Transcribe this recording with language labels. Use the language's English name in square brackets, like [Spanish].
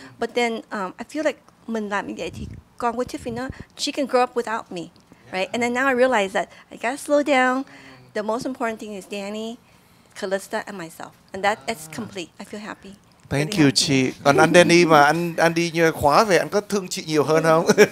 [English] But then I feel like [Vietnamese] mình làm như vậy thì con của Tiffany nó, [English] she can grow up without me. Right, and then now I realize that I gotta slow down. The most important thing is Danny, Calista, and myself, and that's complete. I feel happy. Thank you, chị. [Vietnamese] Còn anh Danny mà anh đi như khóa về, anh có thương chị nhiều hơn không?